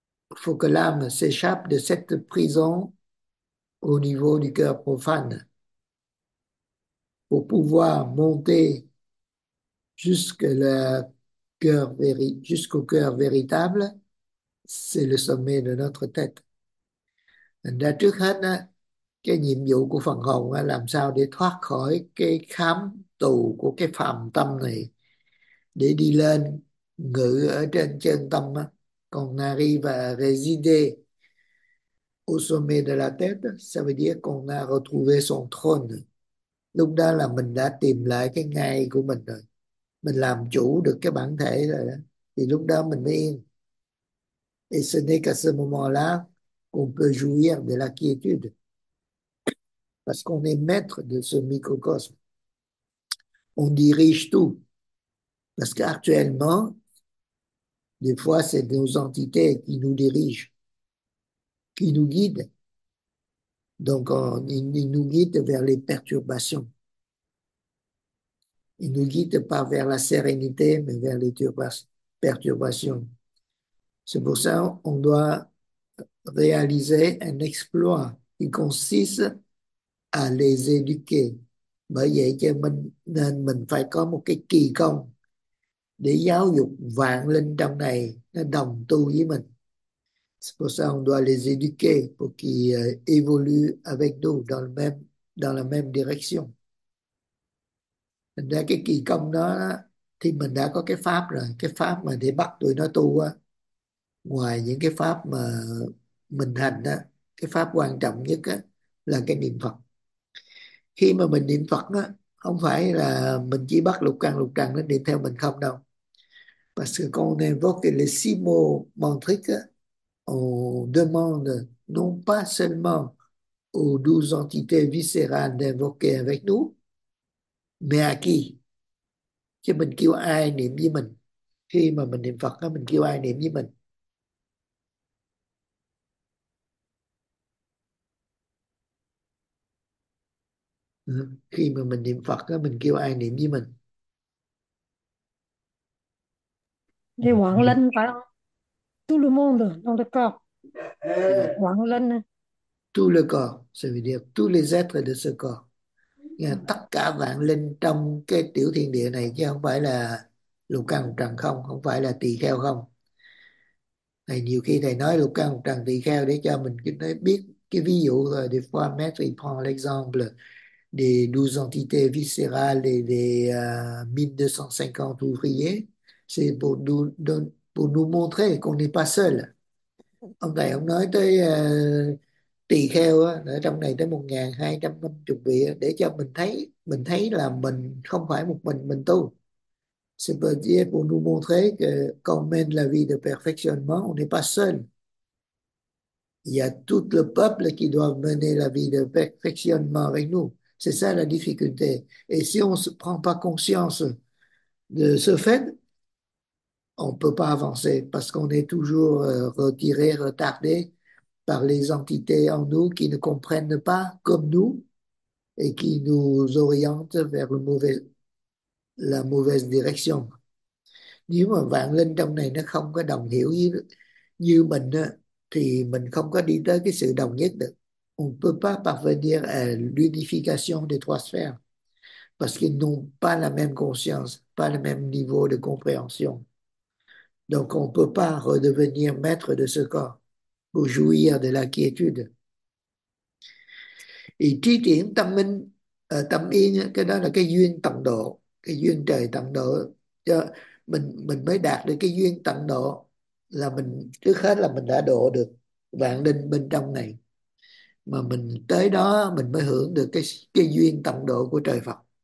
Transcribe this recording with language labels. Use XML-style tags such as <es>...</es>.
<fr>Il faut que l'âme s'échappe de cette prison au niveau du cœur profane pour pouvoir monter jusqu'au cœur véritable. C'est le sommet de notre tête.</fr> <vi>Là trước hết, cái nhiệm vụ của phần hồn là làm sao để thoát khỏi cái khám tù của cái phàm tâm này để đi lên ngự ở trên chân tâm, còn nari và</vi> <fr>résider au sommet de la tête, ça veut dire qu'on a retrouvé son trône.</fr> <vi>Lúc đó là mình đã tìm lại cái ngai của mình rồi, mình làm chủ được cái bản thể rồi đó. Thì lúc đó mình mới yên.</vi> <fr>Et ce n'est qu'à ce moment-là qu'on peut jouir de la quiétude. Parce qu'on est maître de ce microcosme. On dirige tout. Parce qu'actuellement, des fois, c'est nos entités qui nous dirigent, qui nous guident. Donc, ils nous guident vers les perturbations. Ils ne nous guident pas vers la sérénité, mais vers les perturbations. C'est pour ça qu'on doit réaliser un exploit qui consiste à les éduquer.</fr> <vi>Bởi vậy cho nên mình phải có một cái kỳ công để giáo dục vạn linh trong này nó đồng tu với mình.</vi> <fr>C'est pour ça on doit les éduquer pour qu'ils évoluent avec nous dans la même direction.</fr> <vi>Thành ra cái kỳ công đó thì mình đã có cái pháp rồi, cái pháp mà để bắt tụi nó tu á, ngoài những cái pháp mà mình hành á, cái pháp quan trọng nhất á là cái niệm Phật. Khi mà mình niệm Phật á, không phải là mình chỉ bắt lục căn nó đi theo mình không đâu.</vi> <fr>Parce que quand on invoque les six mots mantriques, on demande non pas seulement aux 12 entités viscérales d'invoquer avec nous, mais à qui?</fr> <vi>Chứ mình kêu ai niệm với mình? Khi mà mình niệm Phật á, mình kêu ai niệm với mình? Khi mà mình niệm Phật á, mình kêu ai niệm với mình? Thì Quảng Linh phải không?</vi> <fr>Tout le monde dans le corps.</fr> <vi>Quảng Linh.</vi> <fr>Tout le corps, ça veut dire tous les êtres de ce corps.</fr> <vi>Tất cả vạn linh trong cái tiểu thiên địa này, chứ không phải là lục căn lục trần không, không phải là tỳ kheo không. Thầy nhiều khi thầy nói lục căn lục trần tỳ kheo để cho mình cái biết cái ví dụ rồi,</vi> <fr>des fois maître il prend l'exemple des 12 entités viscérales et des 1250 ouvriers, c'est pour nous montrer qu'on n'est pas seul.</fr> <vi>Ông thầy ông nói tới tỳ kheo á, ở trong này tới 1250 vị, để cho mình thấy là mình không phải một mình tu.</vi> <fr>C'est pour dire pour nous montrer que quand même la vie de perfectionnement, on n'est pas seul. Il y a tout le peuple qui doit mener la vie de perfectionnement avec nous. C'est ça la difficulté. Et si on ne se prend pas conscience de ce fait, on ne peut pas avancer parce qu'on est toujours retiré, retardé par les entités en nous qui ne comprennent pas comme nous et qui nous orientent vers la mauvaise direction.</fr> <vi>Nếu mà vạn linh trong này nó không có đồng hiểu như mình thì mình không có đi tới cái sự đồng nhất được.</vi> <fr>On ne peut pas parvenir à l'unification des trois sphères parce qu'ils n'ont pas la même conscience, pas le même niveau de compréhension. Donc, on ne peut pas redevenir maître de ce corps pour jouir de la quiétude.</fr> <vi>Et tri triển tâm minh, tâm yên, cái đó là cái duyên tận độ, cái duyên trời tận độ. Cho mình mới đạt được cái duyên tận độ là mình, trước hết là mình đã độ được vạn linh bên trong này. Mà mình tới đó mình mới hưởng được cái duyên tận độ của trời Phật.</vi>